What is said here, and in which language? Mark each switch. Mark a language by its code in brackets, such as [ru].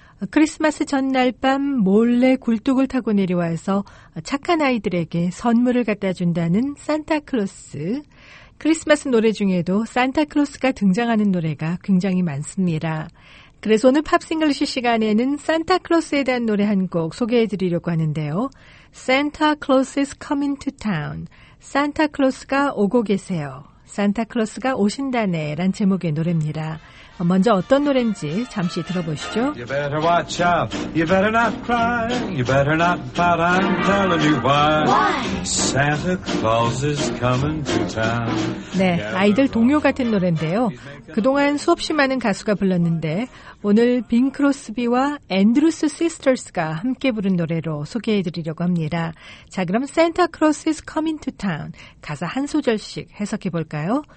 [ko] 크리스마스 전날 밤 몰래 굴뚝을 타고 내려와서 착한 아이들에게 선물을 갖다 준다는 산타클로스. 크리스마스 노래 중에도 산타클로스가 등장하는 노래가 굉장히 많습니다. 그래서 오늘 팝싱글시 시간에는 산타클로스에 대한 노래 한 곡 소개해드리려고 하는데요. [en] Santa Claus is coming to town. [ko] 산타클로스가 오고 계세요. 산타클로스가 오신다네 라는 제목의 노래입니다. 먼저 어떤 노래인지 잠시 들어보시죠. [en] You better watch out. You better not cry. You better not pout. I'm telling you why. Santa Claus is coming to town. [ko] 네, 아이들 동요 같은 노래인데요. 그동안 수없이 많은 가수가 불렀는데 오늘 빙 크로스비와 앤드루스 시스터스가 함께 부른 노래로 소개해드리려고 합니다. 자, 그럼 Santa Claus is coming to town 가사 한 소절씩 해석해볼까요?